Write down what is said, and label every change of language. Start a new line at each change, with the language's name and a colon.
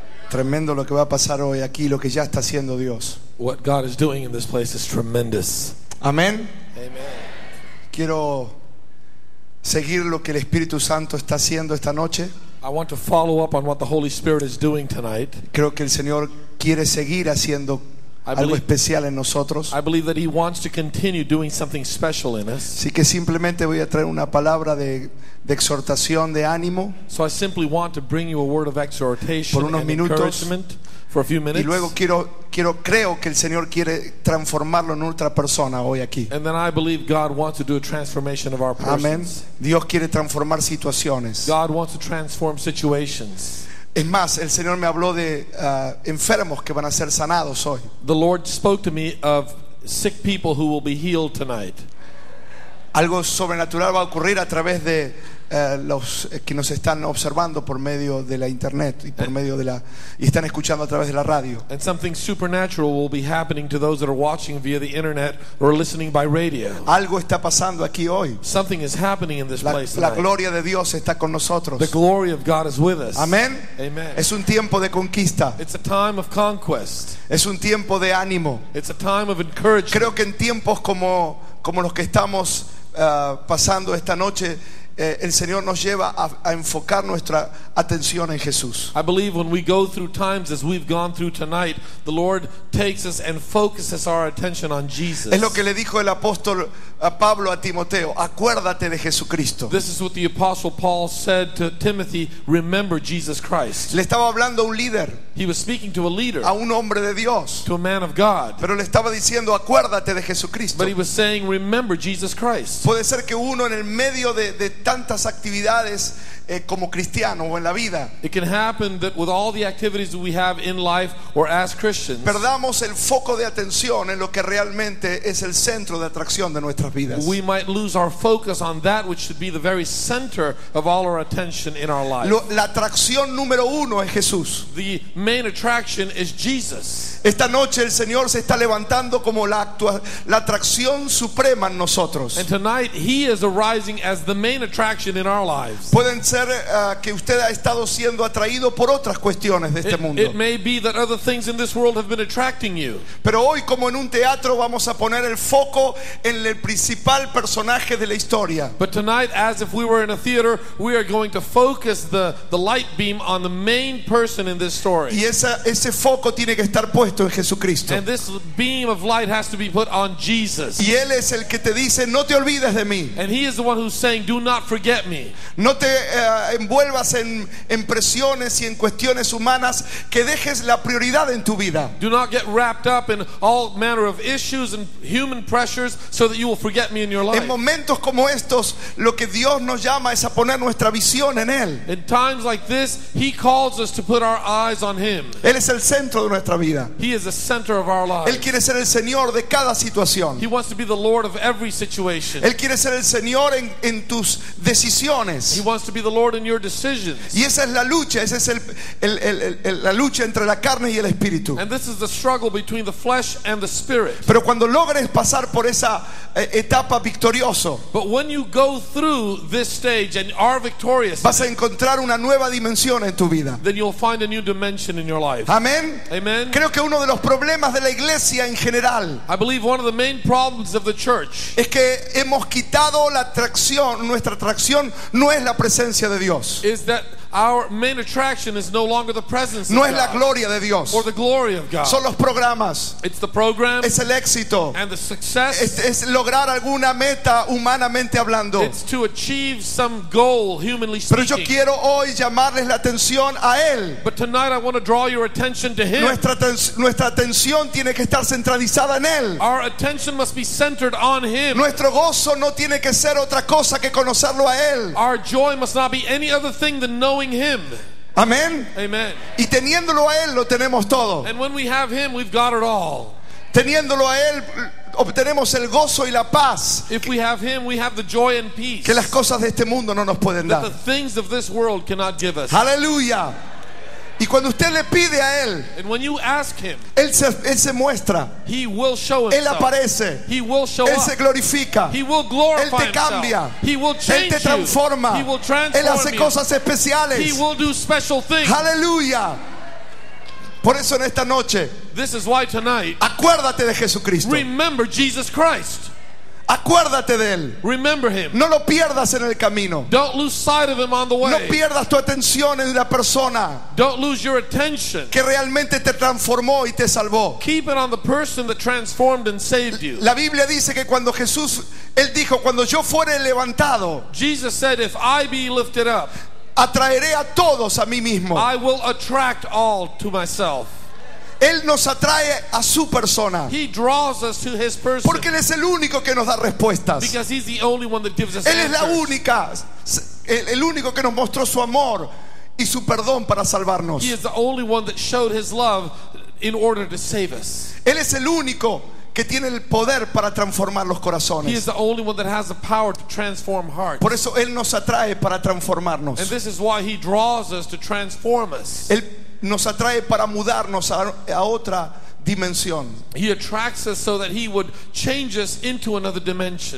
Spanish: Tremendo lo que va a pasar hoy aquí, lo que ya está haciendo Dios.
English: What God is doing in this place is tremendous. Amen. Amen.
Spanish: Quiero seguir lo que el Espíritu Santo está haciendo esta noche.
English: I want to follow up on what the Holy Spirit is doing tonight.
Spanish: Creo que el Señor quiere seguir haciendo algo especial en nosotros.
English: I believe that he wants to continue doing something special in us.
Spanish: Así que simplemente voy a traer una palabra de exhortación, de ánimo.
English: So I simply want to bring you a word of exhortation
Spanish: por unos minutos,
English: and encouragement for a few minutes.
Spanish: Y luego creo que el Señor quiere transformarlo en otra persona hoy aquí.
English: And then I believe God wants to do a transformation of our persons.
Spanish: Amen. Dios quiere transformar situaciones.
English: God wants to transform situations.
Spanish: Es más, el Señor me habló de enfermos que van a ser sanados hoy.
English: The Lord spoke to me of sick people who will be healed tonight.
Spanish: Algo sobrenatural va a ocurrir a través de los que nos están observando por medio de la internet y por medio de la y están escuchando a través de la radio.
English: And something supernatural will be happening to those that are watching via the internet or listening by radio.
Spanish: Algo está pasando aquí hoy.
English: Something is happening in this place tonight.
Spanish: La gloria de Dios está con nosotros.
English: The glory of God is with us. Amen. Amen.
Spanish: Es un tiempo de conquista.
English: It's a time of conquest.
Spanish: Es un tiempo de ánimo.
English: It's a time of encouragement.
Spanish: Creo que en tiempos como los que estamos pasando esta noche, el Señor nos lleva a enfocar nuestra atención en Jesús.
English: I believe when we go through times as we've gone through tonight, the Lord takes us and focuses our attention on Jesus.
Spanish: Es lo que le dijo el apóstol Pablo a Timoteo, acuérdate de Jesucristo.
English: This is what the apostle Paul said to Timothy, remember Jesus Christ.
Spanish: Le estaba hablando a un líder.
English: He was speaking to a leader.
Spanish: A un hombre de Dios.
English: To a man of God.
Spanish: Pero le estaba diciendo, acuérdate de Jesucristo.
English: But he was saying, remember Jesus Christ.
Spanish: Puede ser que uno en el medio de tantas actividades como cristiano o en la vida.
English: It can happen that with all the activities that we have in life or as Christians,
Spanish: perdamos el foco de atención en lo que realmente es el centro de atracción de nuestras vidas.
English: We might lose our focus on that which should be the very center of all our attention in our life.
Spanish: La atracción número uno es Jesús.
English: The main attraction is Jesus.
Spanish: Esta noche el Señor se está levantando como la atracción suprema en nosotros.
English: And tonight he is arising as the main attraction in our lives.
Spanish: Pueden ser que usted ha estado siendo atraído por otras cuestiones de este mundo.
English: It may be that other things in this world have been attracting you.
Spanish: Pero hoy, como en un teatro, vamos a poner el foco en el principal personaje de la historia.
English: But tonight, as if we were in a theater, we are going to focus the light beam on the main person in this story.
Spanish: Y ese foco tiene que estar puesto en Jesucristo.
English: And this beam of light has to be put on Jesus.
Spanish: Y él es el que te dice, no te olvides de mí.
English: And he is the one who's saying, do not forget me.
Spanish: No te envuelvas en presiones y en cuestiones humanas, que dejes la prioridad en tu vida.
English: Do not get wrapped up in all manner of issues and human pressures so that you will forget me in your life.
Spanish: En momentos como estos, lo que Dios nos llama es a poner nuestra visión en él.
English: In times like this, he calls us to put our eyes on him.
Spanish: Él es el centro de nuestra vida.
English: He is the center of our lives.
Spanish: Él quiere ser el Señor de cada situación.
English: He wants to be the Lord of every situation.
Spanish: Él quiere ser el Señor en tus decisiones.
English: He wants to be the Lord in your decisions.
Spanish: Y esa es la lucha, esa es la lucha entre la carne y el espíritu.
English: And this is the struggle between the flesh and the spirit.
Spanish: Pero cuando logres pasar por esa etapa victorioso,
English: but when you go through this stage and are victorious,
Spanish: vas a encontrar una nueva dimensión en tu vida.
English: Then you'll find a new dimension in your life.
Spanish: Amén.
English: Amen.
Spanish: Creo que uno de los problemas de la iglesia en general,
English: I believe one of the main problems of the church,
Spanish: es que hemos quitado la atracción, nuestra atracción no es la presencia de Dios.
English: Is that our main attraction is no longer the presence of
Spanish: No es la gloria de Dios.
English: Or the glory of God.
Spanish: Son los programas.
English: It's the program.
Spanish: Es el éxito.
English: And the success.
Spanish: Es lograr alguna meta humanamente hablando.
English: It's to achieve some goal humanly speaking.
Spanish: Pero yo quiero hoy llamarles la atención a él.
English: But tonight I want to draw your attention to him.
Spanish: Nuestra atención tiene que estar centralizada en él.
English: Our attention must be centered on him.
Spanish: Nuestro gozo no tiene que ser otra cosa que conocerlo a él.
English: Our joy must not be any other thing than knowing him.
Spanish: Amén.
English: Amen.
Spanish: Y teniéndolo a él lo tenemos todo.
English: And when we have him, we've got it all.
Spanish: Teniéndolo a él obtenemos el gozo y la paz.
English: If we have him, we have the joy and peace.
Spanish: Que las cosas de este mundo no nos pueden dar.
English: The things of this world cannot give us.
Spanish: Aleluya. Y cuando usted le pide a él,
English: and when you ask him,
Spanish: él se muestra.
English: He will show himself.
Spanish: Él aparece.
English: He will show
Spanish: él
English: up.
Spanish: Se glorifica.
English: He will glorify
Spanish: él te cambia.
English: Himself. He will change
Spanish: él te transforma.
English: You. He will transform
Spanish: él hace cosas
English: you.
Spanish: Especiales.
English: He will do special things.
Spanish: Aleluya. Por eso en esta noche,
English: this is why tonight,
Spanish: acuérdate de Jesucristo.
English: Remember Jesus Christ.
Spanish: Acuérdate de él.
English: Remember him.
Spanish: No lo pierdas en el camino.
English: Don't lose sight of him on the way.
Spanish: No pierdas tu atención en la persona.
English: Don't lose your attention.
Spanish: Que realmente te transformó y te salvó.
English: Keep it on the person that transformed and saved you.
Spanish: La Biblia dice que cuando Jesús, él dijo, cuando yo fuere levantado,
English: Jesus said, if I be lifted up,
Spanish: atraeré a todos a mí mismo.
English: I will attract all to myself.
Spanish: Él nos atrae a su persona.
English: He draws us to his person.
Spanish: Porque él es el único que nos da respuestas.
English: Because he's the only one that gives us
Spanish: él
English: answers.
Spanish: Es la única, el único que nos mostró su amor y su perdón para salvarnos.
English: He is the only one that showed his love in order to save us.
Spanish: Él es el único que tiene el poder para transformar los corazones.
English: He is the only one that has the power to transform hearts.
Spanish: Por eso él nos atrae para transformarnos.
English: And this is why he draws us to transform us.
Spanish: Él nos atrae para mudarnos a otra dimensión.
English: He attracts us so that he would change us into another dimension.